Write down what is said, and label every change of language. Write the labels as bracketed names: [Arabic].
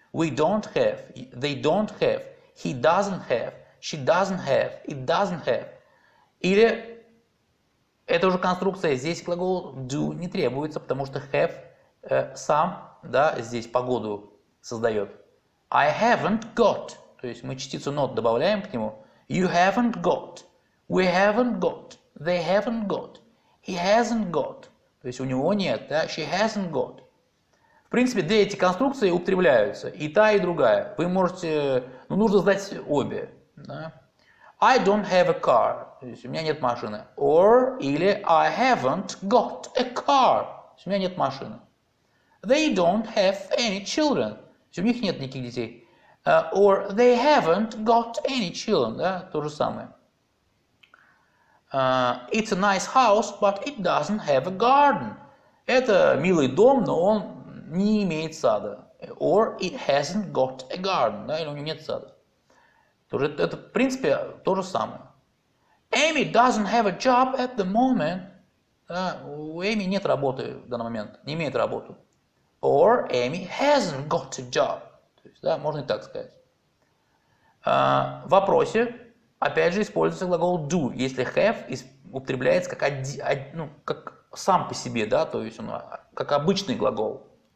[English] We don't have, they don't have, he doesn't have, she doesn't have, it doesn't have. [Russian] Или это уже конструкция, здесь глагол do не требуется, потому что have сам, да, здесь погоду создает. [English] I haven't got, [Russian] то есть мы частицу not добавляем к нему. [English] You haven't got, we haven't got, they haven't got, he hasn't got, [Russian] то есть у него нет, да, [English] she hasn't got. [Russian] В принципе, две эти конструкции употребляются, и та, и другая. Вы можете, ну, нужно знать обе. Да? [English] I don't have a car. [Russian] То есть у меня нет машины. [English] Or, [Russian] или [English] I haven't got a car. [Russian] То есть у меня нет машины. [English] They don't have any children. [Russian] То есть у них нет никаких детей. [English] Or they haven't got any children. [Russian] Да, то же самое. [English] It's a nice house, but it doesn't have a garden. [Russian] Это милый дом, но он не имеет сада. [English] Or it hasn't got a garden. [Russian] Да, или у него нет сада. Это, в принципе, то же самое. [English] Amy doesn't have a job at the moment. [Russian] Да, у Amy нет работы в данный момент. Не имеет работу. [English] Or Amy hasn't got a job. [Russian] То есть, да, можно и так сказать. В вопросе, опять же, используется глагол do. Если have, употребляется как, ну, как сам по себе, да, то есть он как обычный глагол.